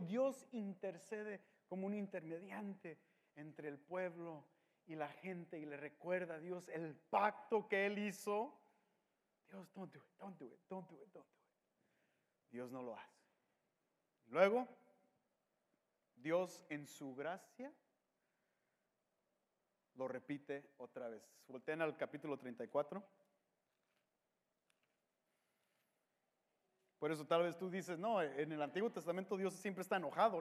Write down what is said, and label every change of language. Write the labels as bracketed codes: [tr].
[es] Dios intercede como un intermediante entre el pueblo y la gente y le recuerda a Dios el pacto que él hizo. [en] Dios, don't do it, don't do it, don't do it, don't do it. [es] Dios no lo hace. Luego, Dios en su gracia lo repite otra vez. Volteen al capítulo 34. Por eso tal vez tú dices, no, en el Antiguo Testamento Dios siempre está enojado.